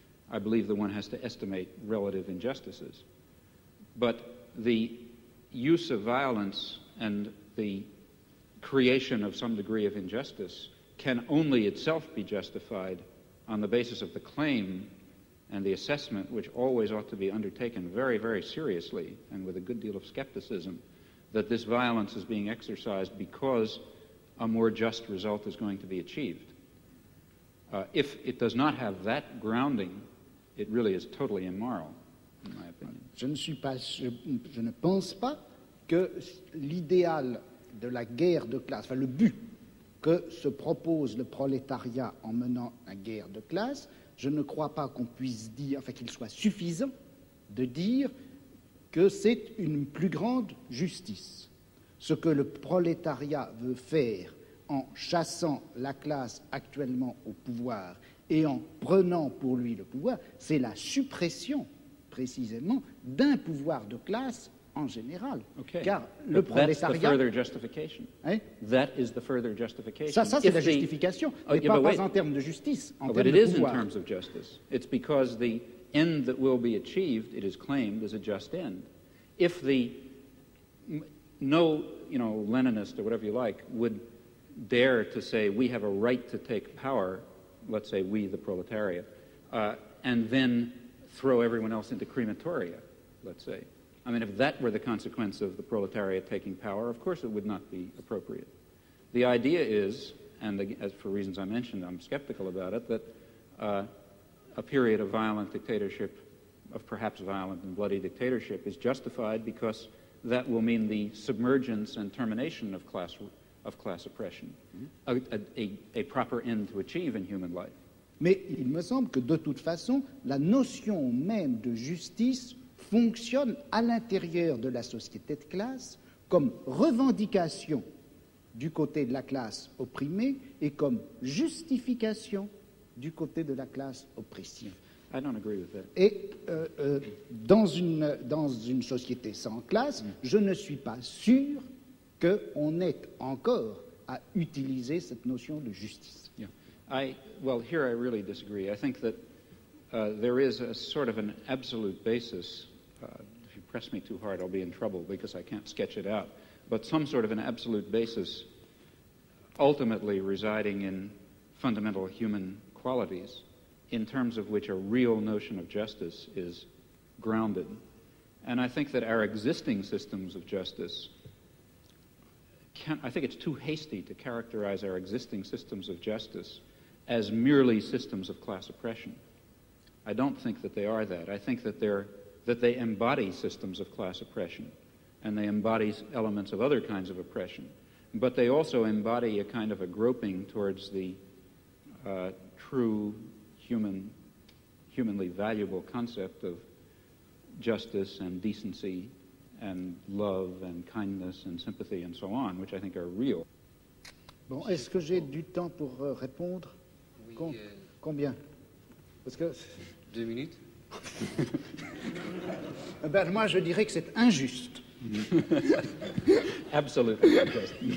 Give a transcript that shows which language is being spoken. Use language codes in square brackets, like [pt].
[en] I believe that one has to estimate relative injustices. But the use of violence and the creation of some degree of injustice can only itself be justified on the basis of the claim and the assessment, which always ought to be undertaken very, very seriously and with a good deal of skepticism, that this violence is being exercised because a more just result is going to be achieved. If it does not have that grounding, it really is totally immoral, in my opinion. [fr] Je ne pense pas que l'idéal de la guerre de classe, enfin le but que se propose le prolétariat en menant la guerre de classe, je ne crois pas qu'on puisse dire, enfin qu'il soit suffisant de dire que c'est une plus grande justice. Ce que le prolétariat veut faire en chassant la classe actuellement au pouvoir et en prenant pour lui le pouvoir, c'est la suppression, précisément, d'un pouvoir de classe en général. [en] Okay. [fr] Car [en] but [fr] le prolétariat... [en] That's the further justification. [fr] Hein? [en] That is the further justification. [fr] Ça c'est la justification, mais pas en termes de justice, en termes de pouvoir. [en] But it is in terms of justice. It's because the end that will be achieved, it is claimed, is a just end. If the... No, you know, Leninist or whatever you like would dare to say we have a right to take power, let's say we, the proletariat, and then throw everyone else into crematoria, let's say. I mean, if that were the consequence of the proletariat taking power, of course it would not be appropriate. The idea is, and as for reasons I mentioned, I'm skeptical about it, that a period of violent dictatorship, of perhaps violent and bloody dictatorship, is justified because that will mean the submergence and termination of class oppression, mm-hmm. a proper end to achieve in human life. [fr] Mais il me semble que de toute façon, la notion même de justice fonctionne à l'intérieur de la société de classe comme revendication du côté de la classe opprimée et comme justification du côté de la classe oppressive. [en] I don't agree with that. [fr] Et dans une société sans classe, je ne suis pas sûr qu'on ait encore à utiliser cette notion de justice. [en] Yeah. Here I really disagree. I think that there is a sort of an absolute basis, if you press me too hard I'll be in trouble because I can't sketch it out, but some sort of an absolute basis ultimately residing in fundamental human qualities, in terms of which a real notion of justice is grounded. And I think that our existing systems of justice, I think it's too hasty to characterize our existing systems of justice as merely systems of class oppression. I don't think that they are that. I think that they embody systems of class oppression, and they embody elements of other kinds of oppression. But they also embody a kind of a groping towards the true, humanly valuable concept of justice and decency and love and kindness and sympathy and so on, which I think are real. [fr] Bon, est-ce que j'ai du temps pour répondre? Oui, combien? Parce que... [en] 2 minutes. [fr] Ben, moi, je dirais que c'est injuste. [en] Absolutely injuste.